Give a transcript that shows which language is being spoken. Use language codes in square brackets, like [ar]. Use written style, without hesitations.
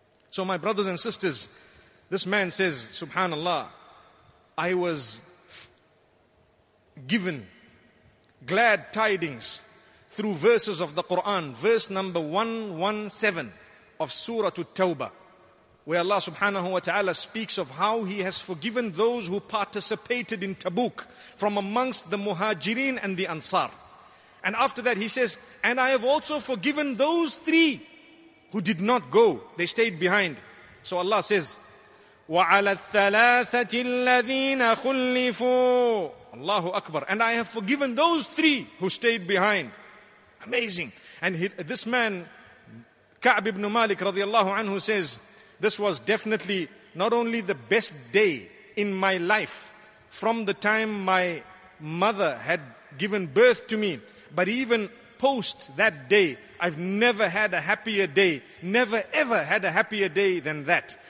[en] So my brothers and sisters, this man says, subhanallah, I was given glad tidings through verses of the Quran, verse number 117 of Surah At-Tawbah, where Allah subhanahu wa ta'ala speaks of how He has forgiven those who participated in Tabuk from amongst the Muhajirin and the Ansar. And after that He says, and I have also forgiven those three who did not go, they stayed behind. [ar] So Allah says, وَعَلَى الثَّلَاثَةِ الَّذِينَ خُلِّفُوا. Allahu Akbar. [en] And I have forgiven those three who stayed behind. Amazing. And this man, Ka'b ibn Malik radiallahu anhu, says, this was definitely not only the best day in my life from the time my mother had given birth to me, but even post that day, I've never had a happier day, never ever had a happier day than that.